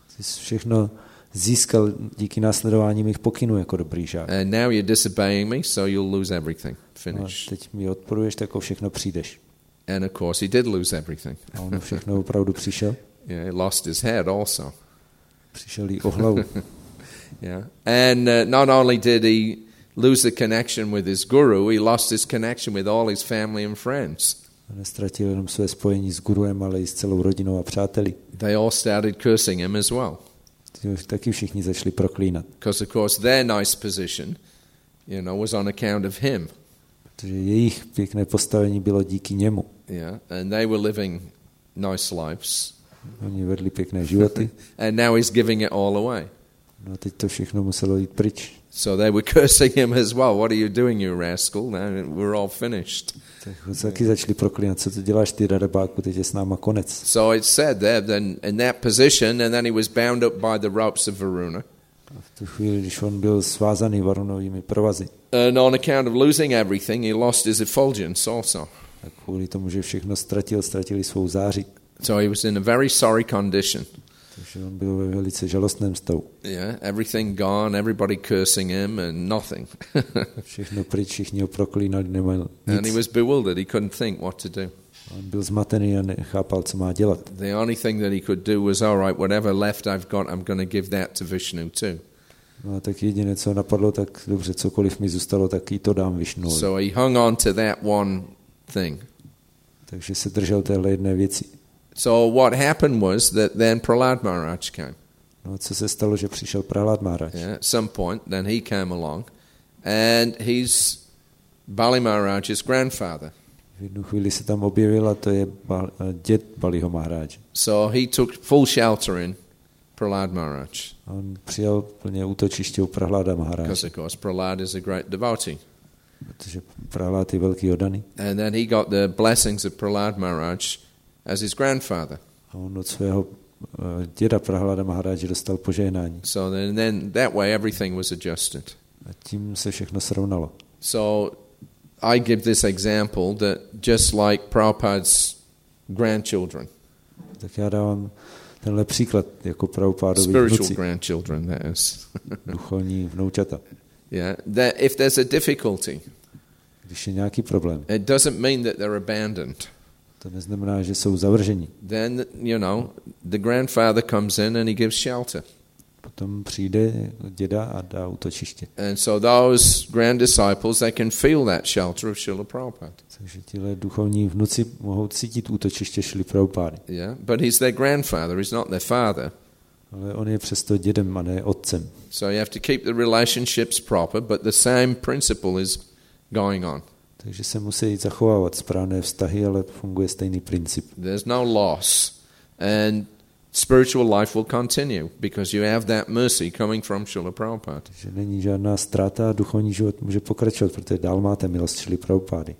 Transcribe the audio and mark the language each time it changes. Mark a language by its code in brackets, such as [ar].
[cs] Jsi všechno získal díky následování mých pokynů jako dobrý žák. [en] And now you're disobeying me, so you'll lose everything. Finish. [cs] A teď mi odporuješ, tak o všechno přijdeš. [en] And of course he did lose everything. [cs] A on všechno opravdu přišel. [en] Yeah, he lost his head also. [cs] Přišel jí o hlavu. [en] Yeah. And not only did he lose the connection with his guru, he lost his connection with all his family and friends. [cs] A neztratil jenom své spojení s guruem, ale i s celou rodinou a přáteli. [en] They all started cursing him as well. [cs] Taky všichni začali proklínat. [en] Because of course their nice position, you know, was on account of him. [cs] Protože jejich pěkné postavení bylo díky němu. [en] Yeah, and they were living nice lives. [cs] Oni vedli pěkné životy. [en] And now he's giving it all away. [cs] No, teď to všechno muselo jít pryč. [en] So they were cursing him as well. What are you doing, you rascal? We're all finished. [cs] Taky začali proklínat, co ty děláš, ty darebáku, teď je s náma konec. [en] So it said there, then in that position, and then he was bound up by the ropes of Varuna. [cs] A v tu chvíli, když on byl svázaný Varunovými provazy. [en] And on account of losing everything, he lost his effulgence also. [cs] A kvůli tomu, že všechno ztratil, ztratili svou záři. [en] So he was in a very sorry condition. [cs] Takže on byl ve velice žalostném stavu. [en] Yeah, everything gone, everybody cursing him and nothing. [cs] Všechno pryč, všichni ho proklínali, neměl nic. [en] And he was bewildered, he couldn't think what to do. [cs] On byl zmatený a nechápal, co má dělat. [en] The only thing that he could do was, all right, whatever left I've got, I'm going to give that to Vishnu too. [cs] No, tak jediné, co napadlo, tak dobře, cokoliv mi zůstalo, tak i to dám Vishnu. [en] So he hung on to that one thing. [cs] Takže se držel téhle jedné věci. [en] So what happened was that then Prahlad Maharaj came. [cs] No, co se stalo, že přišel Prahlad Maharaj? [en] Yeah, at some point, then he came along, and he's Bali Maharaj's grandfather. [cs] V jednu chvíli se tam objevil, a to je děd Baliho Maharaj. [en] So he took full shelter in Prahlad Maharaj. [cs] On přijal plně útočiště u Prahlada Maharaj. [en] Because of course Prahlad is a great devotee. [cs] Protože Prahlad je velký oddaný. [en] And then he got the blessings of Prahlad Maharaj as his grandfather. [cs] A on od svého děda Prahlada Maharaje dostal požehnání. [en] So then that way everything was adjusted. [cs] A tím se všechno srovnalo. [en] So I give this example that just like Prabhupada's grandchildren. [cs] Tak já dávám tenhle příklad jako Prabhupádovi vnuci. [en] Spiritual grandchildren, that is. [cs] Duchovní vnoučata. [en] Yeah, that if there's a difficulty. [cs] Když je nějaký problém. [en] It doesn't mean that they're abandoned. [cs] To neznamená, že jsou zavrženi. [en] Then, you know, the grandfather comes in and he gives shelter. [cs] Potom přijde děda a dá útočiště. [en] And so those grand disciples, they can feel that shelter of Srila Prabhupada. [cs] Takže tihle duchovní vnuci mohou cítit útočiště Srily Prabhupady. [en] Yeah, but he's their grandfather, he's not their father. [cs] Ale on je přesto dědem a ne otcem. [en] So you have to keep the relationships proper, but the same principle is going on. [cs] Takže se musí zachovávat správné vztahy, ale funguje stejný princip. [en] There's no loss and spiritual life will continue because you have that mercy coming from Srila Prabhupada. [cs] Takže není žádná ztráta, duchovní život může pokračovat, protože dál máte milost Srily Prabhupady.